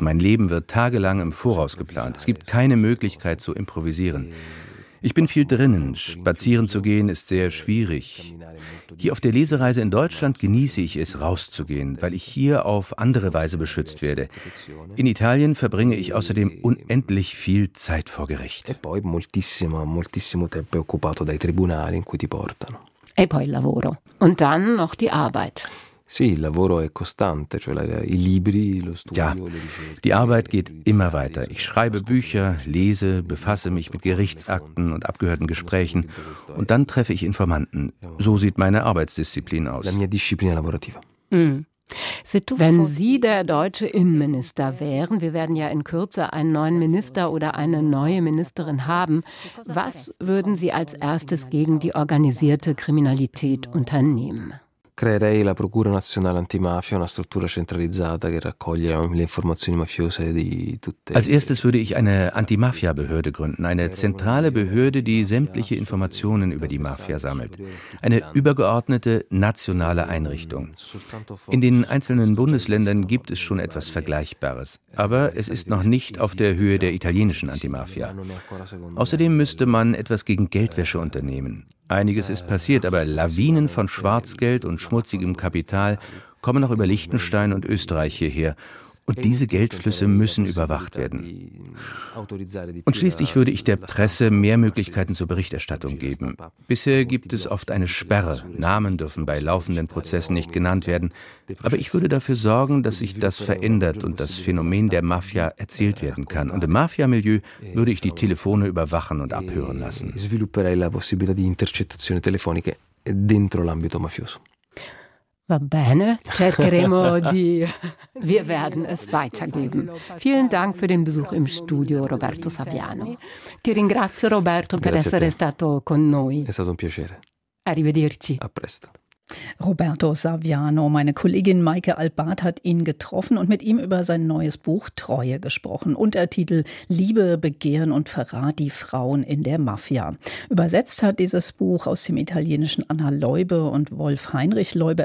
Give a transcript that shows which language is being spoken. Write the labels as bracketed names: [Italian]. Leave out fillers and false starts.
[German] Mein Leben wird tagelang im Voraus geplant. Es gibt keine Möglichkeit zu improvisieren. Ich bin viel drinnen. Spazieren zu gehen ist sehr schwierig. Hier auf der Lesereise in Deutschland genieße ich es, rauszugehen, weil ich hier auf andere Weise beschützt werde. In Italien verbringe ich außerdem unendlich viel Zeit vor Gericht. [Italian] E poi moltissimo, moltissimo tempo occupato dai tribunali in cui ti portano. E poi il lavoro. [German] Und dann noch die Arbeit. [Italian] Sì, il lavoro è costante, cioè i libri, lo studio. [German] Ja, die Arbeit geht immer weiter. Ich schreibe Bücher, lese, befasse mich mit Gerichtsakten und abgehörten Gesprächen und dann treffe ich Informanten. So sieht meine Arbeitsdisziplin aus. [Italian] La mia disciplina lavorativa. [German] Wenn Sie der deutsche Innenminister wären, wir werden ja in Kürze einen neuen Minister oder eine neue Ministerin haben, was würden Sie als erstes gegen die organisierte Kriminalität unternehmen? [Italian] Creerei la Procura Nazionale Antimafia, una struttura centralizzata che raccoglie le informazioni mafiose di tutte. [German] Als erstes würde ich eine Antimafia-Behörde gründen, eine zentrale Behörde, die sämtliche Informationen über die Mafia sammelt. Eine übergeordnete nationale Einrichtung. In den einzelnen Bundesländern gibt es schon etwas Vergleichbares, aber es ist noch nicht auf der Höhe der italienischen Antimafia. Außerdem müsste man etwas gegen Geldwäsche unternehmen. Einiges ist passiert, aber Lawinen von Schwarzgeld und schmutzigem Kapital kommen auch über Liechtenstein und Österreich hierher. Und diese Geldflüsse müssen überwacht werden. Und schließlich würde ich der Presse mehr Möglichkeiten zur Berichterstattung geben. Bisher gibt es oft eine Sperre. Namen dürfen bei laufenden Prozessen nicht genannt werden. Aber ich würde dafür sorgen, dass sich das verändert und das Phänomen der Mafia erzählt werden kann. Und im Mafia-Milieu würde ich die Telefone überwachen und abhören lassen. [Italian] Svilupperei la possibilità di intercettazione telefonica dentro l'ambito mafioso. Va bene, cercheremo di. [German] Wir werden es weitergeben. Vielen Dank für den Besuch im Studio, Roberto Saviano. [Italian] Ti ringrazio, Roberto, per essere stato con noi. È stato un piacere. Arrivederci. A presto. [German] Roberto Saviano, meine Kollegin Maike Albart hat ihn getroffen und mit ihm über sein neues Buch Treue gesprochen. Untertitel Liebe, Begehren und Verrat, die Frauen in der Mafia. Übersetzt hat dieses Buch aus dem Italienischen Anna Leube und Wolf Heinrich Leube.